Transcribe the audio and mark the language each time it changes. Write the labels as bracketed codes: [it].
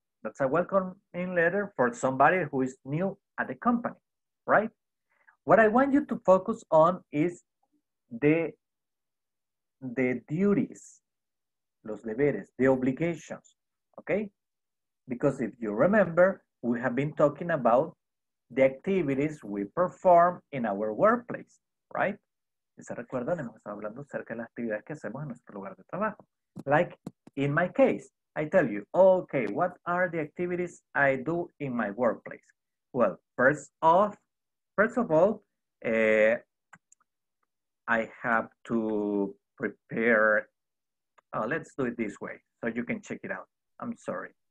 [en] That's a welcoming letter for somebody who is new at the company, right? What I want you to focus on is the the duties, [es] los deberes, [en] the obligations, okay? Because if you remember, we have been talking about the activities we perform in our workplace, right? [es] ¿Se recuerdan? Hemos estado hablando acerca de las actividades que hacemos en nuestro lugar de trabajo. [en] Like, in my case, I tell you, okay, what are the activities I do in my workplace? Well, first of all, I have to prepare, let's do it this way, so you can check it out. I'm sorry.